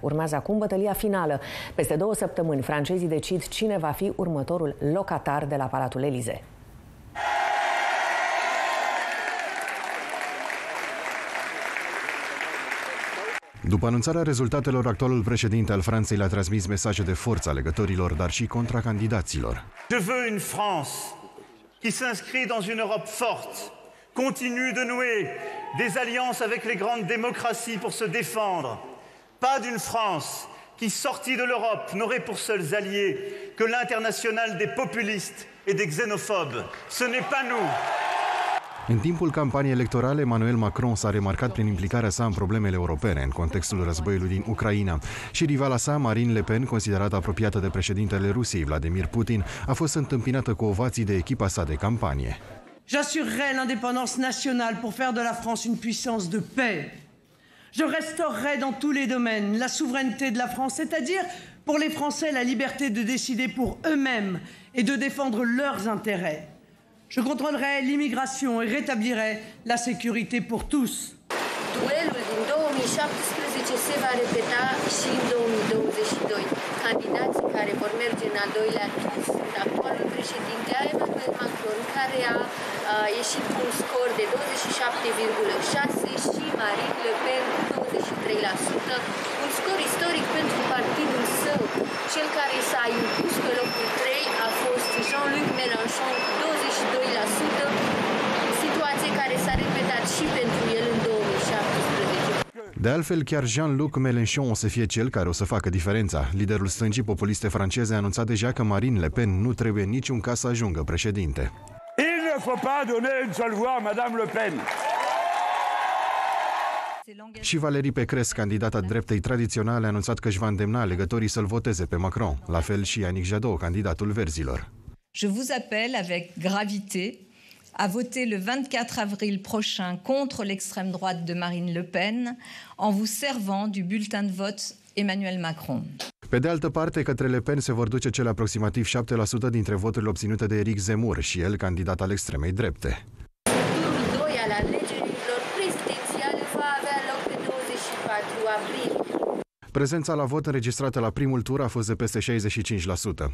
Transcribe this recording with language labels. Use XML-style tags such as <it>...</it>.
<ro>Urmează acum bătălia finală. Peste 2 săptămâni, francezii decid cine va fi următorul locatar de la Palatul Élysée. După anunțarea rezultatelor, actualul președinte al Franței le-a transmis mesaje de forță alegătorilor, dar și contracandidaților.</ro> <fr>Je veux une France qui s'inscrit dans une Europe forte, continue de nouer des alliances avec les grandes démocraties pour se défendre. Pas d'une France qui, sortie de l'Europe, n'aurait pour seuls alliés que l'international des populistes et des xénophobes. Ce n'est pas nous.</fr> <ro>În timpul campaniei electorale, Emmanuel Macron s-a remarcat prin implicarea sa în problemele europene, în contextul războiului din Ucraina. Și rivala sa, Marine Le Pen, considerată apropiată de președintele Rusiei, Vladimir Putin, a fost întâmpinată cu ovații de echipa sa de campanie.</ro> <fr>J'assurerai l'indépendance nationale pour faire de la France une puissance de paix. Je restaurerai dans tous les domaines la souveraineté de la France, c'est-à-dire pour les Français la liberté de décider pour eux-mêmes et de défendre leurs intérêts. Je contrôlerai l'immigration et rétablirai la sécurité pour tous.</fr> <ro>Duelul din 2017 se va repeta și în 2022. Candidații care vor merge în al doilea tur sunt actualul președinte Emmanuel Macron, care a ieșit cu un scor de 27,6 și Marine Le Pen 23%. Un scor istoric pentru partidul său. Cel care s-a impus pe locul 3 a fost Jean-Luc Mélenchon, 22%, situație care s-a repetat și pentru el în 2017. De altfel, chiar Jean-Luc Mélenchon o să fie cel care o să facă diferența. Liderul stângii populiste franceze a anunțat deja că Marine Le Pen nu trebuie niciun caz să ajungă președinte.</ro> <fr>Il ne faut pas donner une seule voix à Madame Le Pen.</fr> <ro>Și Valérie Pécresse, candidata dreptei tradiționale, a anunțat că își va îndemna alegătorii să-l voteze pe Macron. La fel și Yannick Jadot, candidatul verzilor.</ro> <fr>Je vous appelle avec gravité à voter le 24 avril prochain contre l'extrême droite de Marine Le Pen en vous servant du bulletin de vote Emmanuel Macron.</fr> <ro>Pe de altă parte, către Le Pen se vor duce cele aproximativ 7% dintre voturile obținute de Éric Zemmour și el, candidat al extremei drepte. Turul 2 al alegerilor prezidențiale va avea loc pe 24 aprilie. Prezența la vot înregistrată la primul tur a fost de peste 65%.</ro>